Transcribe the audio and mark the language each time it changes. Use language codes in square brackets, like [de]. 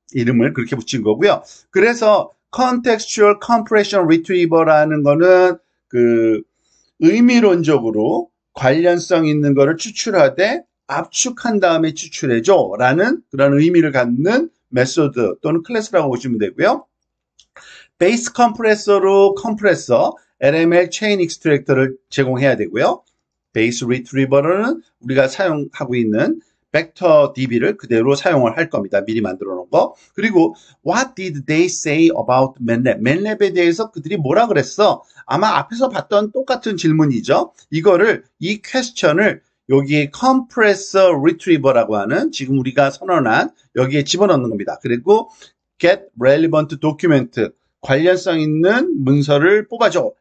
[ko] 이름을 그렇게 붙인 거고요. 그래서 컨텍스추얼 컴프레션 리트리버라는 거는 그 의미론적으로 관련성 있는 거를 추출하되 압축한 다음에 추출해줘 라는 그런 의미를 갖는 메소드 또는 클래스라고 보시면 되고요. 베이스 컴프레서로 컴프레서 LML 체인 익스트랙터를 제공해야 되고요. 베이스 리트리버는 우리가 사용하고 있는 벡터 DB를 그대로 사용을 할 겁니다. 미리 만들어 놓은 거. 그리고 [en] What did they say about MATLAB? [ko] MATLAB에 대해서 그들이 뭐라 그랬어? 아마 앞에서 봤던 똑같은 질문이죠. 이거를 이 퀘스천을 여기에 Compressor Retriever라고 하는 지금 우리가 선언한 여기에 집어넣는 겁니다. 그리고 Get Relevant Document 관련성 있는 문서를 뽑아줘.